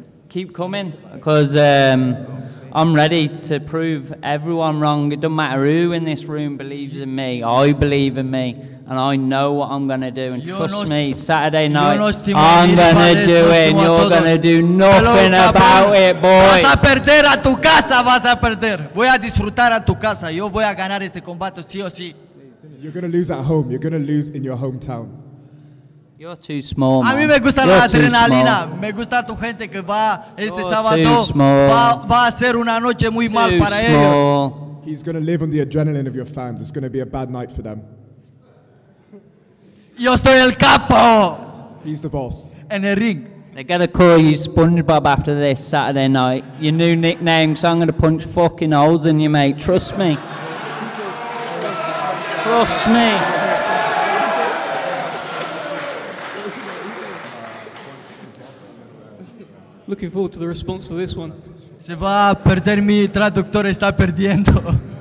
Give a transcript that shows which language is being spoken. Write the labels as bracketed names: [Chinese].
[English] Keep coming, because I'm ready to prove everyone wrong. It doesn't matter who in this room believes in me. I believe in me. And I know what I'm going to do. And trust me, Saturday night, I'm going to do it. And you're going to do nothing about it, boy. [Spanish] Vas a perder a tu casa, vas a perder. Voy a disfrutar a tu casa. Yo voy a ganar este combate, sí o sí. [English] You're going to lose at home. You're going to lose in your hometown. You're too small, man. [Spanish] A mí me gusta la adrenalina. Me gusta tu gente que va este sábado. Va a ser una noche muy mal para ellos. [English] He's going to live on the adrenaline of your fans. It's going to be a bad night for them. [Spanish] Yo estoy el capo. [English] He's the boss. [Spanish] En el ring. [English] They're going to call you SpongeBob after this Saturday night. Your new nickname, so I'm going to punch fucking holes in you, mate. Trust me. Trust me. Looking forward to the response to this one. [Spanish] Se va a perder mi traductor, está perdiendo.